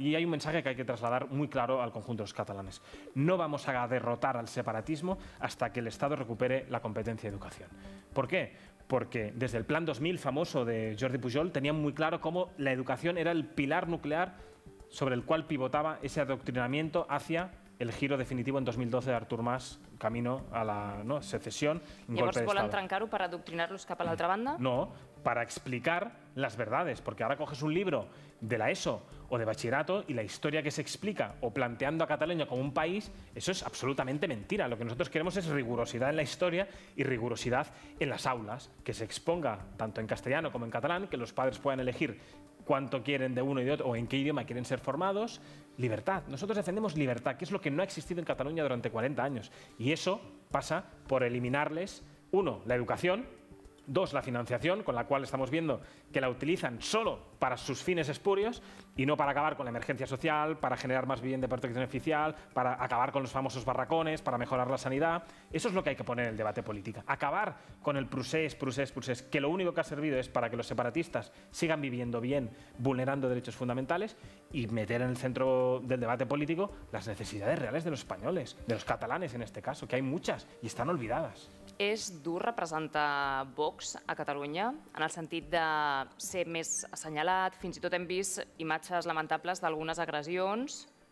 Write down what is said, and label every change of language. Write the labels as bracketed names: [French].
[Catalan] I hi ha un mensatge [Spanish] que hay que trasladar muy claro al conjunto de los catalanes. No vamos a derrotar al separatismo hasta que el Estado recupere la competencia de educación. ¿Por qué? Porque desde el Plan 2000 famoso de Jordi Pujol tenían muy claro cómo la educación era el pilar nuclear sobre el cual pivotaba ese adoctrinamiento hacia el giro definitivo en 2012 de Artur Mas, camino a la, ¿no?, secesión, un golpe de Estado. [Catalan] ¿Volen trencar-ho per adoctrinar-los cap a l'altra banda? [Spanish] No, para explicar las verdades, porque ahora coges un libro de la ESO o de bachillerato y la historia que se explica o planteando a Cataluña como un país, eso es absolutamente mentira. Lo que nosotros queremos es rigurosidad en la historia y rigurosidad en las aulas, que se exponga tanto en castellano como en catalán, que los padres puedan elegir cuánto quieren de uno y de otro o en qué idioma quieren ser formados. Libertad. Nosotros defendemos libertad, que es lo que no ha existido en Cataluña durante 40 años. Y eso pasa por eliminarles, uno, la educación, Dos, la financiación, con la cual estamos viendo que la utilizan solo para sus fines espurios y no para acabar con la emergencia social, para generar más vivienda de protección oficial, para acabar con los famosos barracones, para mejorar la sanidad. Eso es lo que hay que poner en el debate político. Acabar con el procés, que lo único que ha servido es para que los separatistas sigan viviendo bien, vulnerando derechos fundamentales, y meter en el centro del debate político las necesidades reales de los españoles, de los catalanes en este caso, que hay muchas y están olvidadas. [Catalan] És dur representar Vox a Catalunya, en el sentit de ser més assenyalat, fins i tot hem vist imatges lamentables d'algunes agressions.